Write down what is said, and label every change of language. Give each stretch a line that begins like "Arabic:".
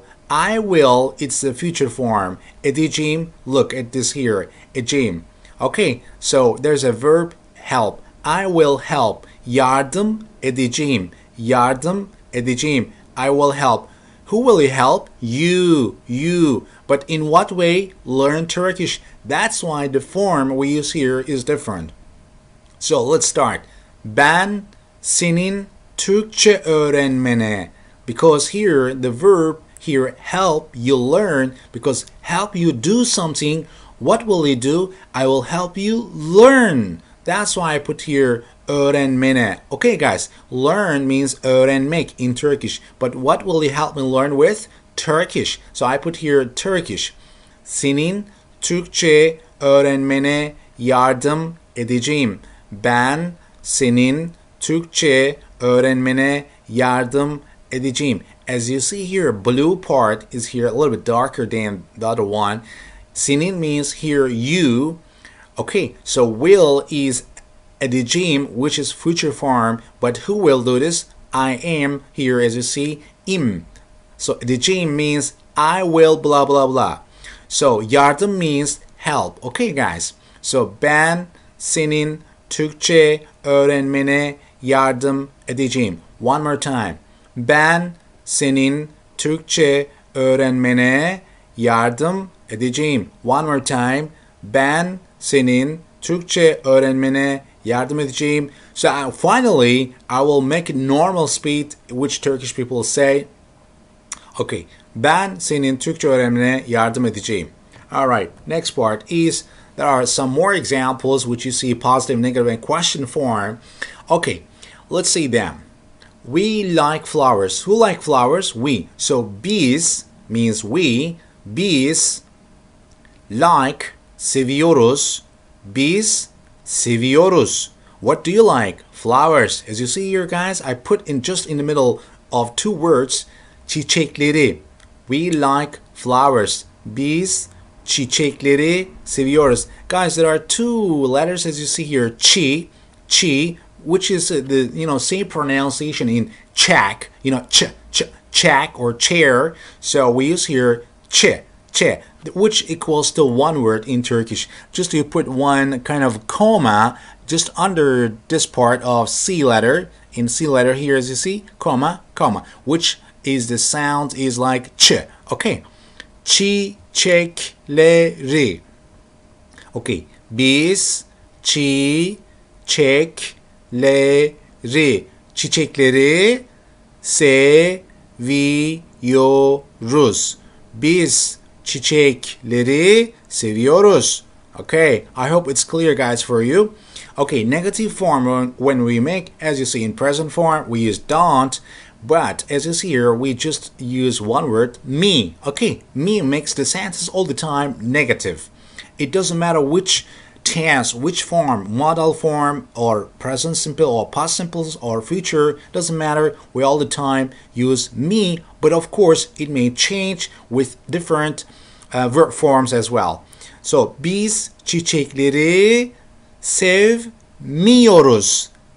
English: I will, it's the future form. Edeceğim, look at this here, edeceğim. Okay, so there's a verb help. I will help.
Turkish: Yardım edeceğim. Yardım edeceğim.
English: I will help. Who will you help? You. But in what way? Learn Turkish. That's why the form we use here is different. So let's start.
Turkish: Ben senin Türkçe öğrenmene.
English: Because here the verb here help you learn. Because help you do something. What will you do? I will help you learn. That's why I put here öğrenmene. Okay, guys, learn means öğrenmek in Turkish. But what will you help me learn with? Turkish. So I put here Turkish.
Turkish: Senin Türkçe öğrenmene yardım edeceğim. Ben senin Türkçe öğrenmene yardım edeceğim.
English: As you see here, blue part is here a little bit darker than the other one. Senin means here you. Okay, so will is edeceğim, which is future form, but who will do this? I am here, as you see, im. So edeceğim means I will blah blah blah. So yardım means help. Okay, guys.
Turkish: So ben senin Türkçe öğrenmene yardım edeceğim.
English: One more time.
Turkish: Ben senin Türkçe öğrenmene yardım edeceğim.
English: One more time.
Turkish: Ben senin Türkçe öğrenmene yardım edeceğim.
English: So finally, I will make it normal speed, which Turkish people say. Okay.
Turkish: Ben senin Türkçe öğrenmene yardım edeceğim.
English: All right. Next part is there are some more examples which you see positive, negative, and question form. Okay. Let's see them. We like flowers. Who like flowers? We. So biz means we. Biz like seviyoruz.
Turkish: Biz seviyoruz.
English: What do you like? Flowers. As you see here, guys, I put in just in the middle of two words, çiçekleri. We like flowers.
Turkish: Biz çiçekleri seviyoruz.
English: Guys, there are two letters, as you see here, çi, which is the, you know, same pronunciation in check, you know, check or chair. So we use here çi. Çe, which equals to one word in Turkish. Just you put one kind of comma just under this part of C letter. In C letter here, as you see, comma, which is the sound is like ç.
Turkish: Okay. Çiçekleri. Okay. Biz çiçekleri. Çiçekleri seviyoruz. Biz çiçekleri seviyoruz.
English: Okay, I hope it's clear, guys, for you. Okay, negative form, when we make, as you see in present form, we use don't. But as you see here, we just use one word, me. Okay, me makes the sentence all the time negative. It doesn't matter which tense, which form, modal form, or present simple, or past simple, or future, doesn't matter. We all the time use me, but of course, it may change with different verb forms as well.
Turkish: So, biz çiçekleri sevmiyoruz.